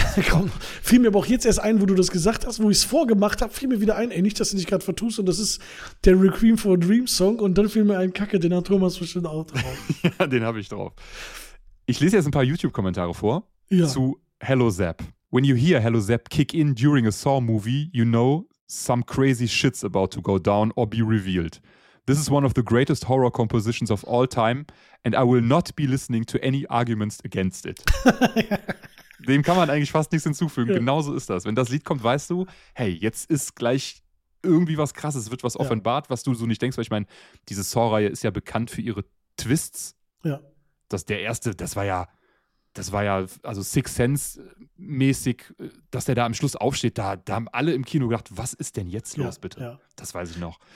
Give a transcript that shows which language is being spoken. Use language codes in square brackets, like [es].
[de] Komm, fiel mir aber auch jetzt erst ein, wo du das gesagt hast, wo ich es vorgemacht habe, fiel mir wieder ein, ey, nicht, dass du dich gerade vertust und das ist der Requiem for a Dream Song und dann fiel mir ein, Kacke, den hat Thomas bestimmt auch drauf. Ja, den habe ich drauf. Ich lese jetzt ein paar YouTube-Kommentare vor zu Hello Zap. [en] When you hear Hello Zap kick in during a Saw movie, you know some crazy shit's about to go down or be revealed. This is one of the greatest horror compositions of all time and I will not be listening to any arguments against it. [de] Dem kann man eigentlich fast nichts hinzufügen. Ja. Genauso ist das. Wenn das Lied kommt, weißt du, hey, jetzt ist gleich irgendwie was Krasses. Es wird was offenbart, was du so nicht denkst. Weil ich meine, diese Saw-Reihe ist ja bekannt für ihre Twists. Ja. Das, der erste, das war ja, also Sixth Sense-mäßig, dass der da am Schluss aufsteht, da haben alle im Kino gedacht, was ist denn jetzt los, bitte? Ja. Das weiß ich noch.